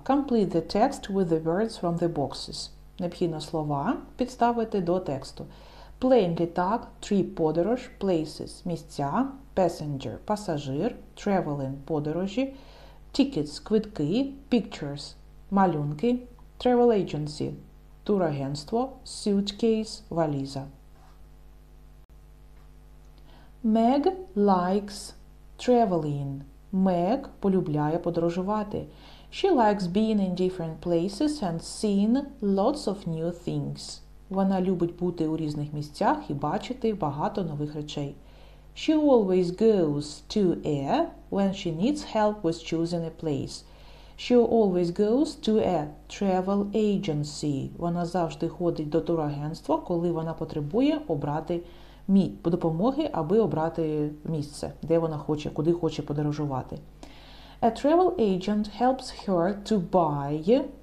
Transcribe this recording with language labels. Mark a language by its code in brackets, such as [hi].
[en] Complete the text with the words from the boxes. [uk] Необхідно слова підставити до тексту. [en] Plane – літак, trip – подорож, places – місця, passenger – пасажир, traveling – подорожі, tickets – квитки, pictures – малюнки, travel agency – турагентство, suitcase – валіза. Meg likes traveling. [uk] Meg полюбляє подорожувати. [en] She likes being in different places and seeing lots of new things. [uk] Вона любить бути у різних місцях і бачити багато нових речей. [en] She always goes to a when she needs help with choosing a place. She always goes to a travel agency. [uk] Вона завжди ходить до турагентства, коли вона потребує обрати допомоги, аби обрати місце, де вона хоче, куди хоче подорожувати. [en] A travel agent helps her to buy.